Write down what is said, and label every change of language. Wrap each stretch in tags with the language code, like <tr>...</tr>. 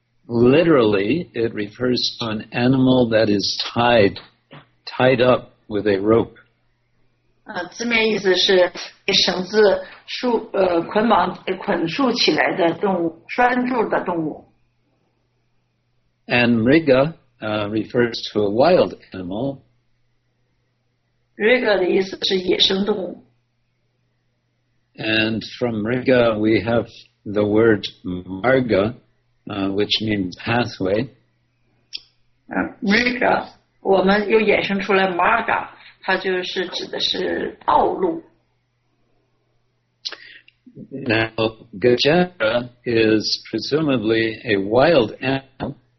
<en>Literally, it refers to an animal that is tied up with a rope.</en> <zh>字面意思是绳子束捆绑捆束起来的动物，拴住的动物。</zh> <en>And Mriga refers to a wild animal.</en> <zh>Mriga 的意思是野生动物。</zh> <en>And from Mriga we have the word Marga, which means pathway.</en> <zh>Mriga 我们又衍生出来 Marga。它就是指的是道路。</zh> <en>Now, Gajendra is presumably a wild animal.</en>